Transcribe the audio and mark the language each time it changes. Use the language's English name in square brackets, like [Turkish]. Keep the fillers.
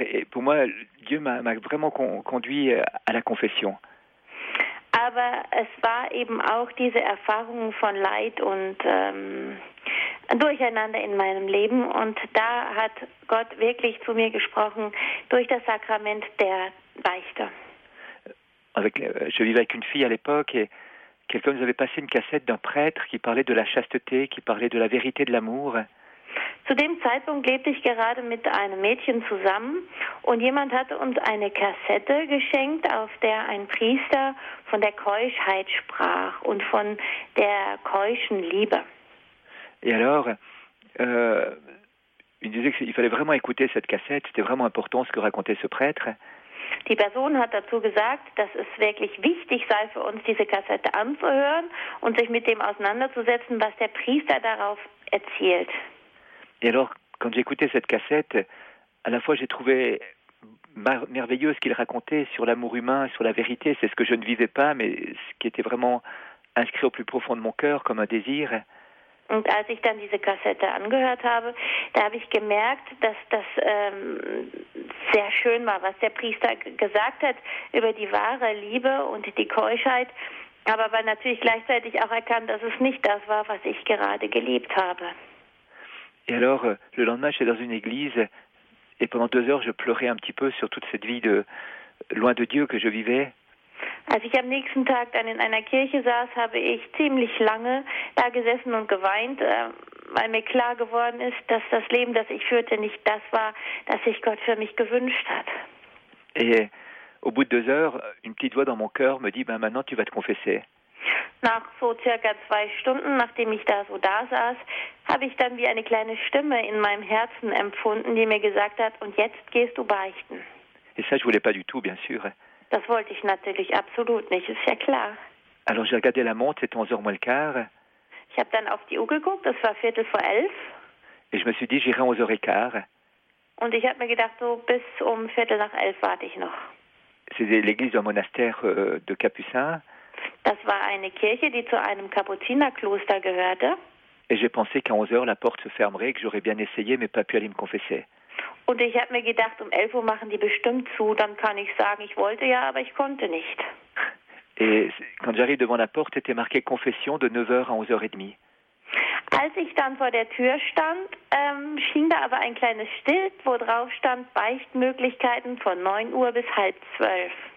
[French] Et pour moi, Dieu m'a vraiment con, conduit à la confession. [German] Aber es war eben auch diese Erfahrung von Leid und ähm, Durcheinander in meinem Leben. Und da hat Gott wirklich zu mir gesprochen durch das Sakrament der Beichte. [French] Avec, je vivais avec une fille à l'époque et quelqu'un nous avait passé une cassette d'un prêtre qui parlait de la chasteté, qui parlait de la vérité de l'amour. [German] Zu dem Zeitpunkt lebte ich gerade mit einem Mädchen zusammen und jemand hatte uns eine Kassette geschenkt, auf der ein Priester von der Keuschheit sprach und von der keuschen Liebe. [French] Et alors, euh, il disait qu'il fallait vraiment écouter cette cassette, c'était vraiment important ce que racontait ce prêtre. [German] Die Person hat dazu gesagt, dass es wirklich wichtig sei für uns, diese Kassette anzuhören und sich mit dem auseinanderzusetzen, was der Priester darauf erzählt. [French] Et alors, quand j'écoutais cette cassette, à la fois j'ai trouvé merveilleux ce qu'il racontait sur l'amour humain, sur la vérité, c'est ce que je ne vivais pas, mais ce qui était vraiment inscrit au plus profond de mon cœur comme un désir. [German] Und als ich dann diese Kassette angehört habe, da habe ich gemerkt, dass das ähm, sehr schön war, was der Priester gesagt hat über die wahre Liebe und die Keuschheit, aber war natürlich gleichzeitig auch erkannt, dass es nicht das war, was ich gerade gelebt habe. [French] Et alors, le lendemain, j'étais dans une église et pendant deux heures, je pleurais un petit peu sur toute cette vie de loin de Dieu que je vivais. [German] Als ich am nächsten Tag dann in einer Kirche saß, habe ich ziemlich lange da gesessen und geweint, weil mir klar geworden ist, dass das Leben, das ich führte, nicht das war, das sich Gott für mich gewünscht hat. [French] Et au bout de deux heures, une petite voix dans mon cœur me dit, ben maintenant tu vas te confesser. [German] Nach so circa zwei Stunden, nachdem ich da so da saß, habe ich dann wie eine kleine Stimme in meinem Herzen empfunden, die mir gesagt hat, und jetzt gehst du beichten. [French] Et ça, je voulais pas du tout, bien sûr. [German] Das wollte ich natürlich absolut nicht, ist ja klar. [French] Alors j'ai regardé la montre, c'était 11h moins le quart, [German] Ich habe dann auf die Uhr geguckt, es war Viertel vor elf. [French] et je me suis dit, j'irai 11h15. [German] Und ich habe mir gedacht, so bis um Viertel nach elf warte ich noch. [French] C'était l'église d'un monastère euh, de Capucins, [German] Das war eine Kirche, die zu einem Kapuzinerkloster gehörte. [French] et j'ai pensé qu'à 11h, la porte se fermerait, que j'aurais bien essayé, mais pas pu aller me confesser. [German] Und ich habe mir gedacht, um 11 Uhr machen die bestimmt zu. Dann kann ich sagen, ich wollte ja, aber ich konnte nicht. [French] Et c- quand j'arrive devant la porte, était marqué confession de 9h à 11h30. [German] Als ich dann vor der Tür stand, ähm, schien da aber ein kleines Schild, wo drauf stand Beichtmöglichkeiten von 9 Uhr bis halb zwölf.